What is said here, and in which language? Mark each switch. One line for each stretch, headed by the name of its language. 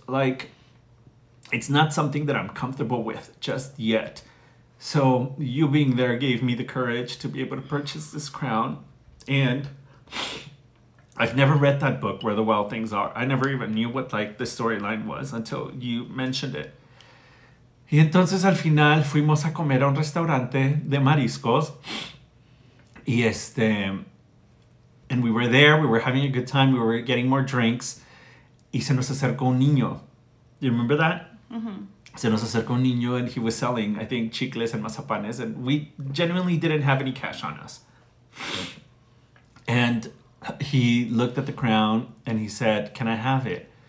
English: Like, it's not something that I'm comfortable with just yet. So you being there gave me the courage to be able to purchase this crown. And I've never read that book, Where the Wild Things Are. I never even knew what like the storyline was until you mentioned it.
Spanish: Y entonces al final fuimos a comer a un restaurante de mariscos.
English: Y and we were there, we were having a good time, we were getting more drinks.
Spanish: Y se nos acercó un niño.
English: You remember that?
Spanish: Mm-hmm. Se nos acercó un niño,
English: and he was selling, I think, chicles and mazapanes. And we genuinely didn't have any cash on us. And he looked at the crown and he said, can I have it?